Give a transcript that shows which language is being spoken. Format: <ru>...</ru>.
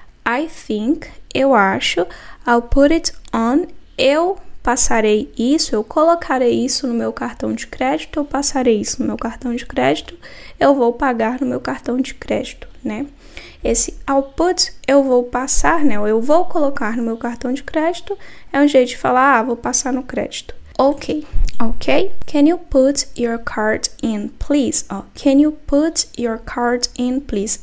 <en>I think,</en> <pt>eu acho,</pt> <en>I'll put it on.</en> <pt>Eu passarei isso, eu colocarei isso no meu cartão de crédito, eu passarei isso no meu cartão de crédito, eu vou pagar no meu cartão de crédito, né? Esse</pt> <en>I'll put,</en> <pt>eu vou passar, né? Ou eu vou colocar no meu cartão de crédito, é um jeito de falar, ah, vou passar no crédito.</pt> <en>Ok, ok? Can you put your card in, please? Oh, can you put your card in, please?</en>